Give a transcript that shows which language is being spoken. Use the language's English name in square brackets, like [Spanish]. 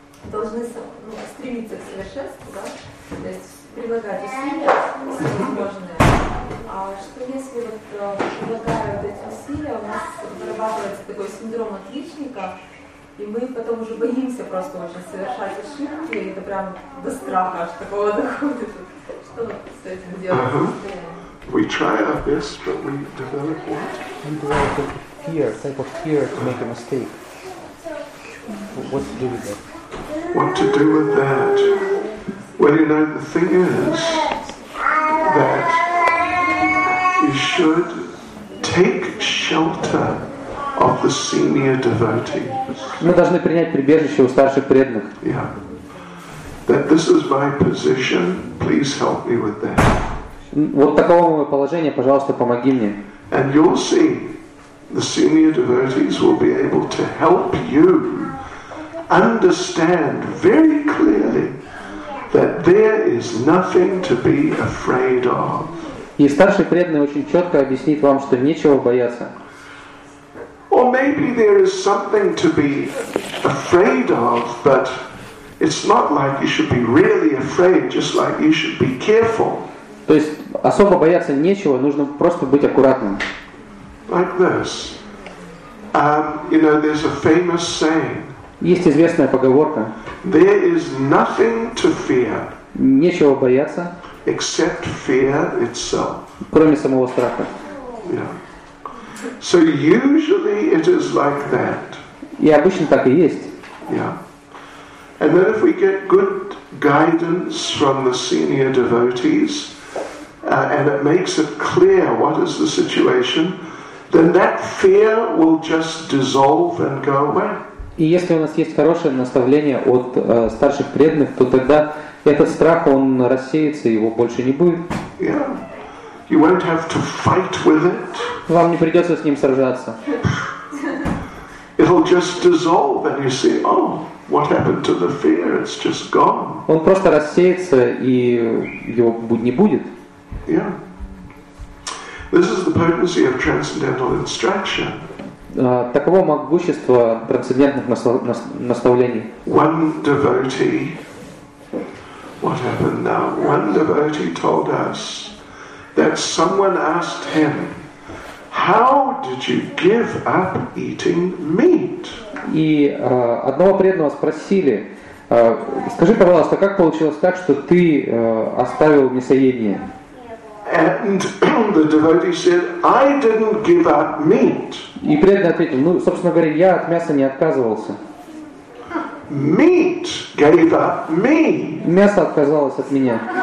[Russian] должны стремиться к совершенству, да? То есть прилагать усилия, возможное. А что если вот прилагая вот эти усилия, у нас вырабатывается такой синдром отличника, и мы потом уже боимся просто очень совершать ошибки, и это прям до страха аж такого доходит. Что с этим делать? [English] We try our best, but we develop what? We develop a fear, a type of fear to make a mistake. What to do with that? What to do with that? Well, you know, the thing is that you should take shelter of the senior devotees. [Russian] Мы должны принять прибежище у старших преданных. [English] Yeah. That this is my position, please help me with that. [Russian] Вот таково мое положение, пожалуйста, помоги мне. [English] And you'll see, the senior devotees will be able to help you understand very clearly that there is nothing to be afraid of. [Russian] И старший преданный очень четко объяснит вам, что нечего бояться. [English] Or maybe there is something to be afraid of, but it's not like you should be really afraid, just like you should be careful. [Russian] То есть особо бояться нечего, нужно просто быть аккуратным. [English] Like this. You know, there's a famous saying. [Russian] Есть известная поговорка. [English] There is nothing to fear. [Russian] Нечего бояться. [English] Except fear itself. [Russian] Кроме самого страха. [English] Yeah. So usually it is like that. [Russian] И обычно так и есть. [English] Yeah. And then if we get good guidance from the senior devotees, and it makes it clear what is the situation, then that fear will just dissolve and go away. [Russian] И если у нас есть хорошее наставление от старших преданных, то тогда этот страх, он рассеется, его больше не будет. [English] Yeah. You won't have to fight with it. [Russian] Вам не придется с ним сражаться. [English] It'll just dissolve and you see, oh, what happened to the fear? It's just gone. [Russian] Он просто рассеется, и его не будет. [English] Yeah. This is the potency of transcendental instruction. [Russian] Таково могущество трансцендентных наставлений. [English] One devotee, what happened now? One devotee told us that someone asked him, "How did you give up eating meat?" [Russian] И одного преданного спросили: "Скажи, пожалуйста, как получилось так, что ты оставил мясоедение?" [English] And the devotee said, "I didn't give up meat." [Russian] И преданный ответил: "Ну, собственно говоря, я от мяса не отказывался." [English] Meat gave up me. [Russian] Мясо отказалось от меня.